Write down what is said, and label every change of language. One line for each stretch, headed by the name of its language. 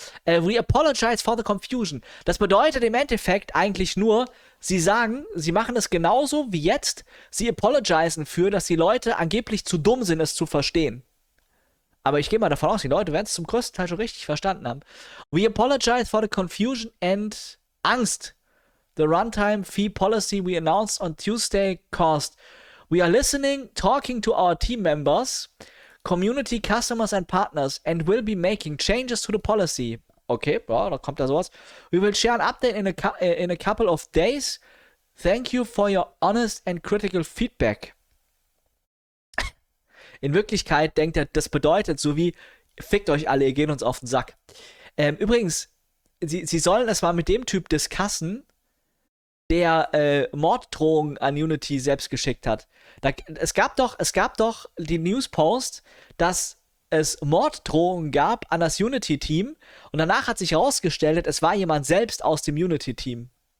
English: We apologize for the confusion.
German: Das bedeutet im Endeffekt eigentlich nur, sie sagen, sie machen es genauso wie jetzt. Sie apologizen für, dass die Leute angeblich zu dumm sind, es zu verstehen. Aber ich gehe mal davon aus, die Leute werden es zum größten Teil schon richtig verstanden haben.
English: We apologize for the confusion and Angst. The runtime fee policy we announced on Tuesday caused. We are listening, talking to our team members, community, customers and partners and will be making changes to the policy.
German: Okay, boah, da kommt da sowas.
English: We will share an update in a couple of days. Thank you for your honest and critical feedback.
German: In Wirklichkeit denkt er, das bedeutet so wie, fickt euch alle, ihr geht uns auf den Sack. Übrigens, sie sollen es mal mit dem Typ discussen, der Morddrohungen an Unity selbst geschickt hat. Es gab doch die Newspost, dass es Morddrohungen gab an das Unity-Team und danach hat sich herausgestellt, es war jemand selbst aus dem Unity-Team.